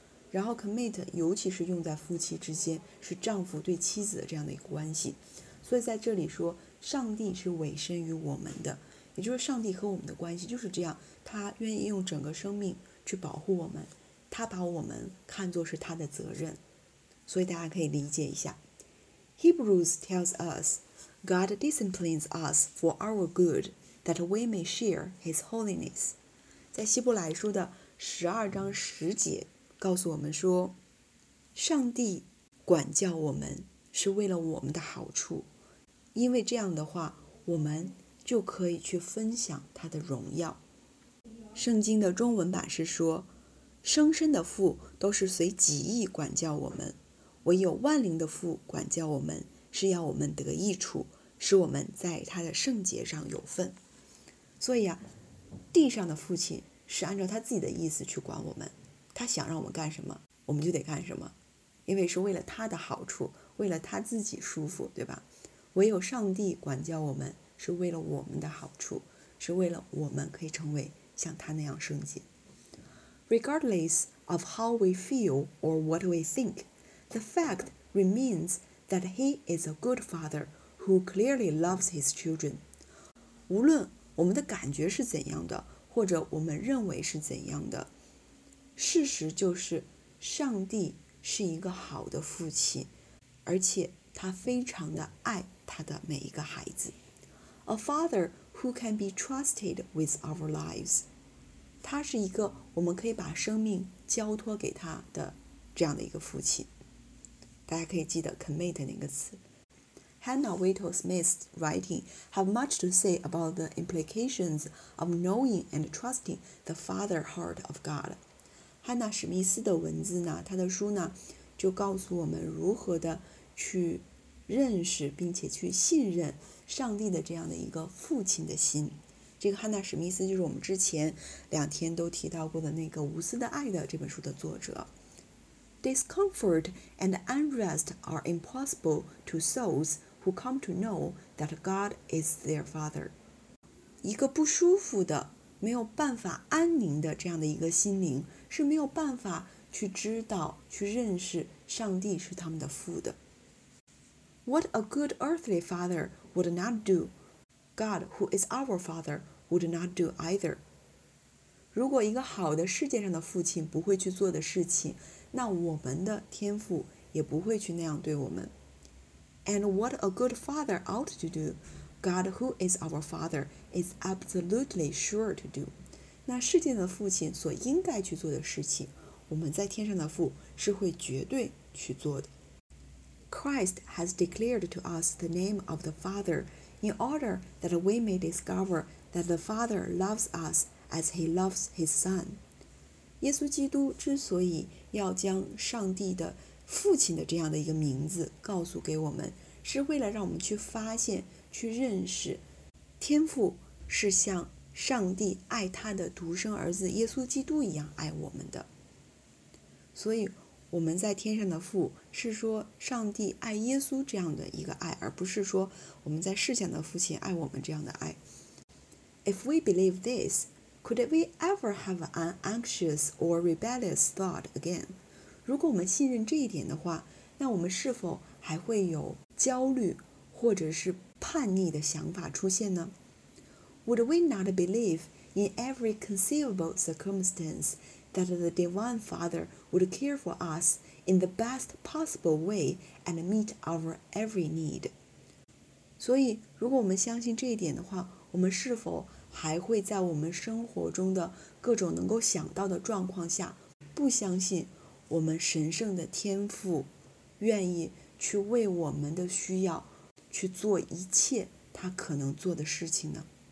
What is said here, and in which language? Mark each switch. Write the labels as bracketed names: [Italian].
[Chinese] 然后 commit 尤其是用在夫妻之间，是丈夫对妻子的这样的一个关系。所以在这里说上帝是委身于我们的，也就是上帝和我们的关系就是这样，他愿意用整个生命去保护我们，他把我们看作是他的责任。所以大家可以理解一下。 [English] Hebrews tells us God disciplines us for our good, that we may share his holiness. [Chinese] 在希伯来书的十二章十节告诉我们说，上帝管教我们是为了我们的好处，因为这样的话我们就可以去分享他的荣耀。圣经的中文版是说，生身的父都是随己意管教我们，唯有万灵的父管教我们，是要我们得益处，使我们在他的圣洁上有份。所以啊，地上的父亲是按照他自己的意思去管我们，他想让我们干什么我们就得干什么，因为是为了他的好处，为了他自己舒服，对吧？唯有上帝管教我们，是为了我们的好处，是为了我们可以成为像他那样圣洁。 [English] Regardless of how we feel or what we think, the fact remains that he is a good father who clearly loves his children. [Chinese] 无论我们的感觉是怎样的，或者我们认为是怎样的，事实就是上帝是一个好的父亲，而且他非常的爱他的每一个孩子。 [English] A father who can be trusted with our lives. [Chinese] 他是一个我们可以把生命交托给他的这样的一个父亲。大家可以记得 commit 那个词。 [English] Hannah Whittle Smith's writing have much to say about the implications of knowing and trusting the father heart of God. [Chinese] Hannah 史密斯的文字呢，她的书呢，就告诉我们如何的去认识并且去信任上帝的这样的一个父亲的心。这个汉娜·史密斯就是我们之前两天都提到过的那个《无私的爱》的这本书的作者。 [English] Discomfort and unrest are impossible to souls who come to know that God is their Father. [Chinese] 一个不舒服的、没有办法安宁的这样的一个心灵，是没有办法去知道、去认识上帝是他们的父的。 [English] What a good earthly father would not do, God who is our father would not do either. [Chinese] 如果一个好的世界上的父亲不会去做的事情，那我们的天父也不会去那样对我们。 [English] And what a good father ought to do, God who is our father is absolutely sure to do. [Chinese] 那世界的父亲所应该去做的事情，我们在天上的父是会绝对去做的。 [English] Christ has declared to us the name of the Father in order that we may discover that the Father loves us as he loves his Son. [Chinese] 耶稣基督之所以要将上帝的父亲的这样的一个名字告诉给我们，是为了让我们去发现、去认识天父是像上帝爱他的独生儿子耶稣基督一样爱我们的。所以我们在天上的父是说上帝爱耶稣这样的一个爱，而不是说我们在世上的父亲爱我们这样的爱。 [English] If we believe this, could we ever have an anxious or rebellious thought again? [Chinese] 如果我们信任这一点的话，那我们是否还会有焦虑或者是叛逆的想法出现呢？ [English] Would we not believe in every conceivable circumstance that the Divine Father would care for us in the best possible way and meet our every need. [Chinese] 所以如果我们相信这一点的话，我们是否还会在我们生活中的各种能够想到的状况下，不相信我们神圣的天父愿意去为我们的需要去做一切他可能做的事情呢？